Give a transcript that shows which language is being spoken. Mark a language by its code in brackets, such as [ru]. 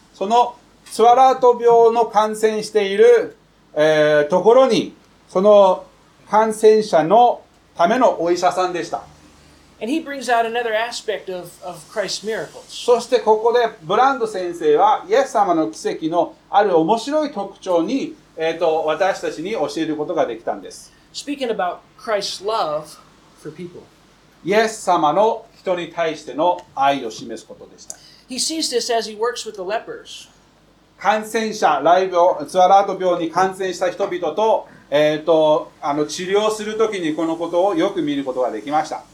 [ja] そのツワラート病の感染している、ところに、その感染者のためのお医者さんでした。 [en] And he brings out another aspect of Christ's miracles. [ja] そしてここでブランド先生はイエス様の奇跡のある面白い特徴に、私たちに教えることができたんです。 [en] Speaking about Christ's love for people. [ja] イエス様の人に対しての愛を示すことでした。 [en] He sees this as he works with the lepers. [ja] 感染者、雷病、ツワラート病に感染した人々と治療するときにこのことをよく見ることができました。